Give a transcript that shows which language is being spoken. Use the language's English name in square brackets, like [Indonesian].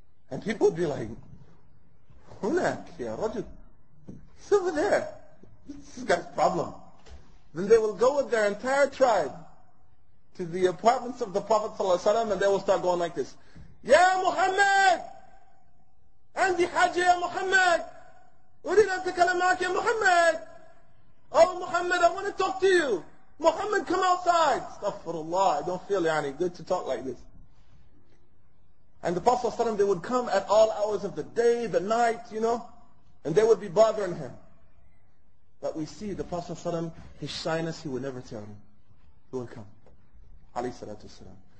[English] And people would be like, [Arabic] هناك يا رجل. [English] It's over there. This guy's problem. Then they will go with their entire tribe to the apartments of the Prophet ﷺ and they will start going like this. [Arabic] يا محمد! عندي حاجة يا محمد! أريد أن أتكلم معك يا محمد! [English] Oh Muhammad, I want to talk to you! Muhammad, come outside! [Arabic] استغفر الله, [English] I don't feel يعني good to talk like this. And the Prophet ﷺ, they would come at all hours of the day, the night, you know, and they would be bothering him. But we see the Prophet ﷺ, his shyness, he would never tell him. He would come. Alayhi salatu wasalam.